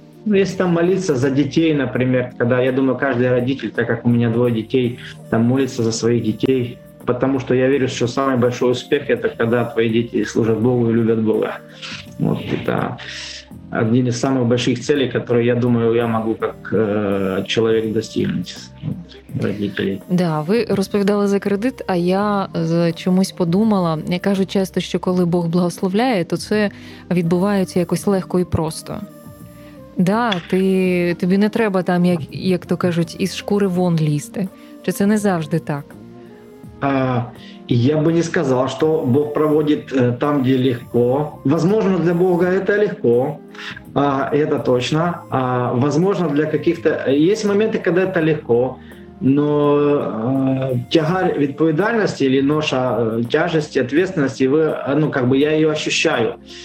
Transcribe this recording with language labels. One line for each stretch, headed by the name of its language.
Russian: Ну, если там молиться за детей, например, когда, я думаю, каждый родитель, так как у меня двое детей, там молится за своих детей. Потому что я верю, что самый большой успех – это когда твои дети служат Богу и любят Бога. Вот это... один из самых больших целей, которые, я думаю, я могу как человек достигнуть родителей.
Ukrainian: Да, ви розповідали за кредит, а я чомусь подумала, я кажу часто, що коли Бог благословляє, то це відбувається якось легко і просто. Да, тобі не треба там, як то кажуть, із шкури вон лізти. Чи це не завжди так?
Russian: Я бы не сказал, что Бог проводит там, где легко. Возможно, для Бога это легко, это точно. Возможно, для каких-то... Есть моменты, когда это легко, но тягарь ответственности или ноша тяжести, ответственности, я ее ощущаю.